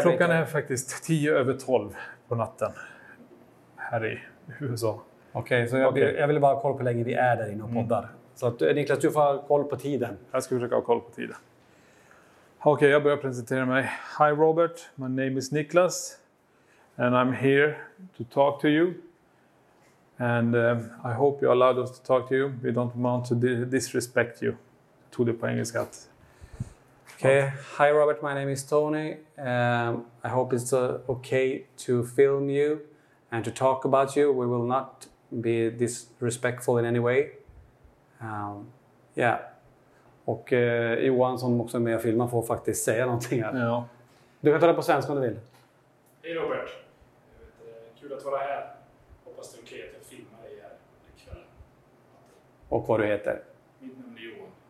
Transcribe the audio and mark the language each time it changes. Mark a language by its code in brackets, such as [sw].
[sv] klockan är faktiskt 10:50 på natten. Här i USA. Okej, okay, så jag, okay. Jag vill bara kolla hur länge vi är där inne och poddar. Mm. Så att, Niklas, du får ha koll på tiden. Jag ska försöka ha koll på tiden. Okej, okay, jag börjar presentera mig. [en] Hi Robert, my name is Niklas. And I'm here to talk to you. And I hope you allowed us to talk to you. We don't want to disrespect you. To the [sv] på engelska. [en] Okay, hi Robert, my name is Tony. I hope it's okay to film you and to talk about you. We will not be disrespectful in any way. Yeah. [sv] Och Johan som också är med och filmar får faktiskt säga någonting här. Ja. Du kan ta det på svenska om du vill. Hej Robert. Kul att vara här. Hoppas det är okej att jag filmar dig här ikväll. Och vad du heter? Mitt namn är Johan.